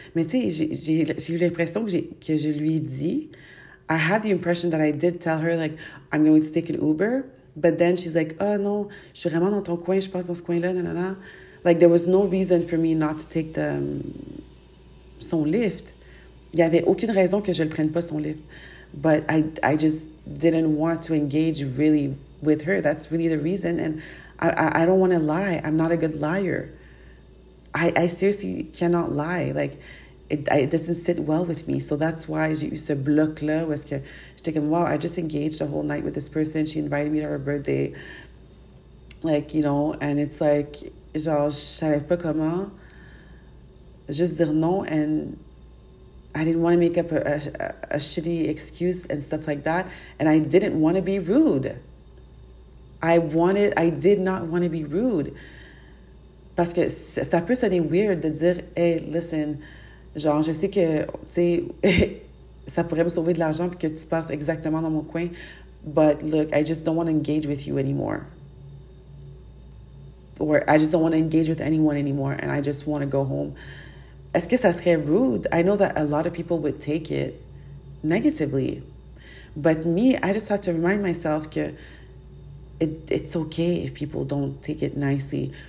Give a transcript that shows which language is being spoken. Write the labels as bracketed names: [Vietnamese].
[French] Mais tu sais, j'ai eu l'impression que je lui ai dit. [English] I had the impression that I did tell her, like, I'm going to take an Uber. But then she's like, oh no, [French] je suis vraiment dans ton coin, je passe dans ce coin-là, nanana. [English] Like, there was no reason for me not to take the, son lift. [French] Il n'y avait aucune raison que je ne prenne pas son lift. [English] But I just didn't want to engage really with her. That's really the reason. And I don't want to lie. I'm not a good liar. I seriously cannot lie. Like, it doesn't sit well with me. So that's why [French] j'ai eu ce bloc-là où est-ce que j'étais comme, [English] wow, I just engaged the whole night with this person. She invited me to her birthday. Like, you know, and it's like, [French] genre, je savais pas comment juste dire non. [English] And I didn't want to make up a shitty excuse and stuff like that. And I didn't want to be rude. I did not want to be rude. [French] Parce que ça peut sonner weird de dire, [English] hey, listen, [French] genre, je sais que, tu sais, ça pourrait me sauver de l'argent puis que tu passes exactement dans mon coin. [English] But look, I just don't want to engage with you anymore. Or I just don't want to engage with anyone anymore and I just want to go home. [French] Est-ce que ça serait rude? [English] I know that a lot of people would take it negatively. But me, I just have to remind myself que it's okay if people don't take it nicely.